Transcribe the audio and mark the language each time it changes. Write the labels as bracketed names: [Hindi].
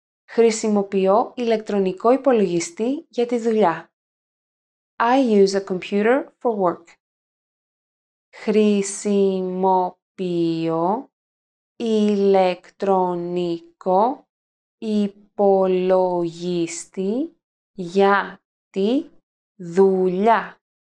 [Greek] Χρησιμοποιώ ηλεκτρονικό υπολογιστή για τη δουλειά. [English] I use a computer for work. [Greek] Χρησιμοποιώ ηλεκτρονικό υπολογιστή για τη δουλειά.